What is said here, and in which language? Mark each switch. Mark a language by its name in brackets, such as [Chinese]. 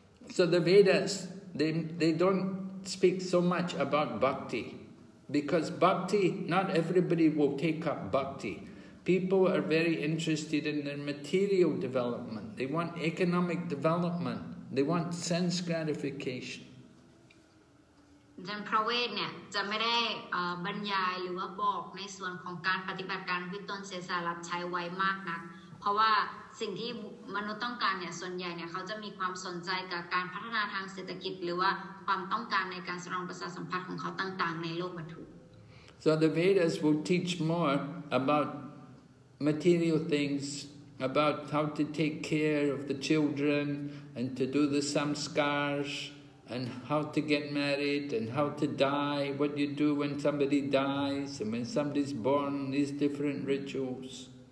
[English] So the Vedas, they don't speak so much about bhakti, because bhakti, not everybody will take up bhakti. People are very interested in their material development. They want economic development. They want sense gratification. [Thai] ท่านพระเวทเนี่ยจะไม่ได้บรรยายหรือว่าบอกในส่วนของการปฏิบัติการเพื่อต้นเสียสารับใช้ไว้มากนักเพราะว่าสิ่งที่มนุษย์ต้องการเนี่ยส่วนใหญ่เนี่ยเขาจะมีความสนใจกับการพัฒนาทางเศรษฐกิจหรือว่าความต้องการในการสนองประสาทสัมผัสของเขาต่างๆในโลกวัตถุ [English] So the Vedas will teach more about material things, about how to take care of the children and to do the samskars, and how to get married and how to die, what you do when somebody dies and when somebody's born, these different rituals.